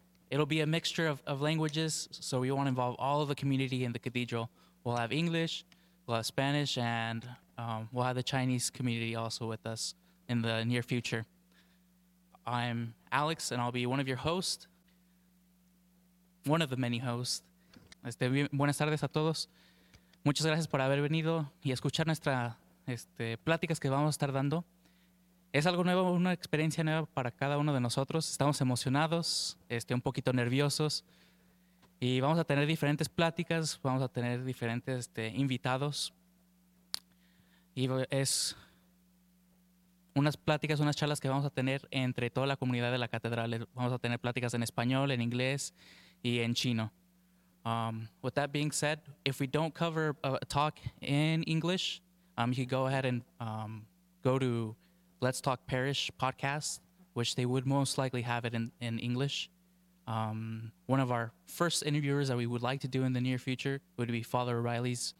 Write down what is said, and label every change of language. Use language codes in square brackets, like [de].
[en] It'll be a mixture of languages, so we want to involve all of the community in the cathedral. We'll have English, we'll have Spanish, and we'll have the Chinese community also with us in the near future. I'm Alex, and I'll be one of your hosts. One of the many hosts. [es] Buenas tardes a todos. Muchas gracias por haber venido y escuchar nuestras pláticas que vamos a estar dando. Es algo nuevo, una experiencia nueva para cada uno de nosotros. Estamos emocionados, un poquito nerviosos. Y vamos a tener diferentes pláticas, vamos a tener diferentes invitados. Y es unas pláticas, unas charlas que vamos a tener entre toda la comunidad de la catedral. Vamos a tener pláticas en español, en inglés. En chino. [en] With that being said, if we don't cover a talk in English, you can go ahead and go to Let's Talk Parish podcast, which they would most likely have it in English. One of our first interviewers that we would like to do in the near future would be Father O'Reilly's.